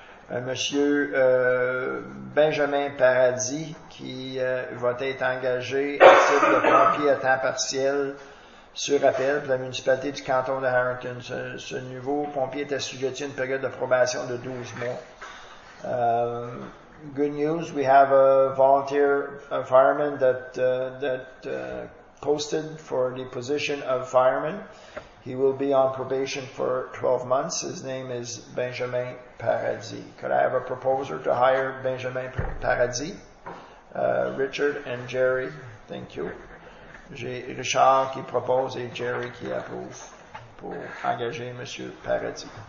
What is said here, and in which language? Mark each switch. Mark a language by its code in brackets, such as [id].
[fr] un monsieur Benjamin Paradis qui va être engagé à titre de pompier à temps partiel sur appel de la municipalité du canton de Harrington. Ce nouveau pompier est assujetti à une période de probation de 12 mois. [en] Good news, we have a volunteer a fireman that posted for the position of fireman. He will be on probation for 12 months. His name is Benjamin Paradis. Could I have a proposer to hire Benjamin Paradis? Richard and Jerry, thank you. [fr] J'ai Richard qui propose et Jerry qui approuve pour engager M. Paradis.